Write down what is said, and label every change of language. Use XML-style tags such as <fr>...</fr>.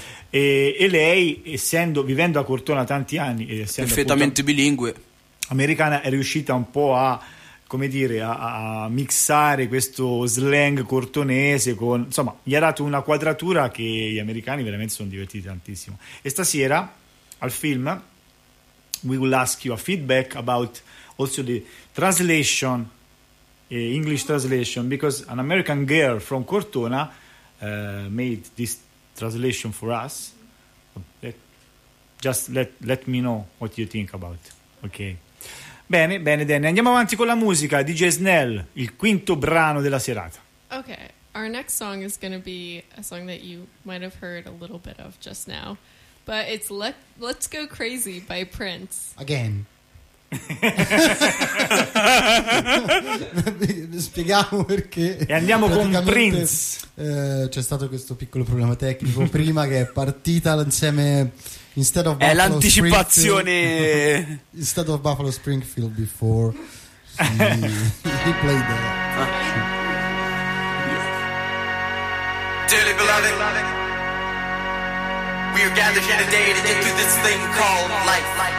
<it>E lei, essendo vivendo a Cortona tanti anni, perfettamente bilingue americana, è riuscita un po' a, come dire, a mixare questo slang cortonese con, insomma, gli ha dato una quadratura che gli americani veramente sono divertiti tantissimo. E stasera al film</it> <en>we will ask you a feedback about also the translation, English translation, because an American girl from Cortona made this translation for us. Just let me know what you think about.</en> <it>Ok. Bene, bene, Danny. Andiamo avanti con la musica. DJ Snell, il quinto brano della serata.</it> <en>Ok. Our next song is going to be a song that you might have heard a little bit of just now. But it's Let's Go Crazy by Prince. Again.</en> <it>Spieghiamo perché. E andiamo con Prince. C'è stato questo piccolo problema tecnico prima che è partita insieme...</it> <en>Instead of</en> <it>è Buffalo l'anticipazione.</it> <en>Instead of Buffalo Springfield before he played that. Dearly beloved, we are gathered here today to get through this thing called life.</en>